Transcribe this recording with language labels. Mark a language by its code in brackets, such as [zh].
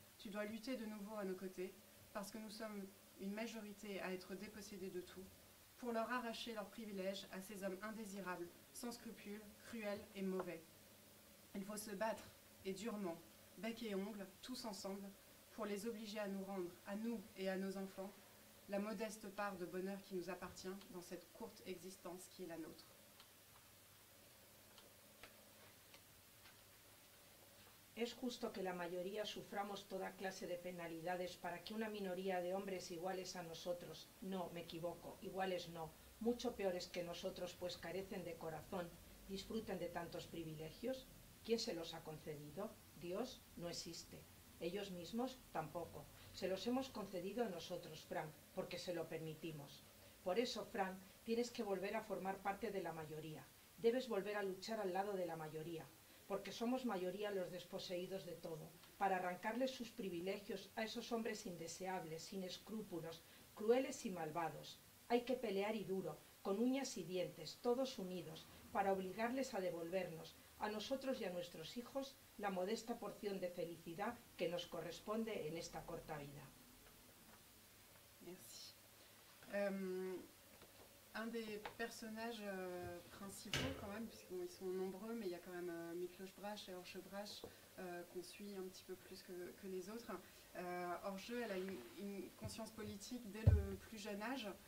[fr] Tu dois lutter de nouveau à nos côtés, parce que nous sommes une majorité à être dépossédés de tout, pour leur arracher leurs privilèges à ces hommes indésirables, sans scrupules, cruels et mauvais. Il faut se battre, et durement, bec et ongles, tous ensemble, pour les obliger à nous rendre, à nous et à nos enfants, la modeste part de bonheur qui nous appartient dans cette courte existence qui est la nôtre. [es] Es justo que la mayoría suframos toda clase de penalidades para que una minoría de hombres iguales a nosotros, no, me equivoco, iguales no, mucho peores que nosotros, pues carecen de corazón, disfruten de tantos privilegios. ¿Quién se los ha concedido? Dios no existe. Ellos mismos tampoco. Se los hemos concedido a nosotros, Frank, porque se lo permitimos. Por eso, Frank, tienes que volver a formar parte de la mayoría. Debes volver a luchar al lado de la mayoría. Porque somos mayoría los desposeídos de todo, para arrancarles sus privilegios a esos hombres indeseables, sin escrúpulos, crueles y malvados. Hay que pelear y duro, con uñas y dientes, todos unidos, para obligarles a devolvernos, a nosotros y a nuestros hijos, la modesta porción de felicidad que nos corresponde en esta corta vida. [fr] Merci. Un des personnages principaux quand même, puisqu'ils sont nombreux, mais il y a quand même Miklos Brach et Orsche Brach qu'on suit un petit peu plus que les autres. Orsche, elle a une conscience politique dès le plus jeune âge.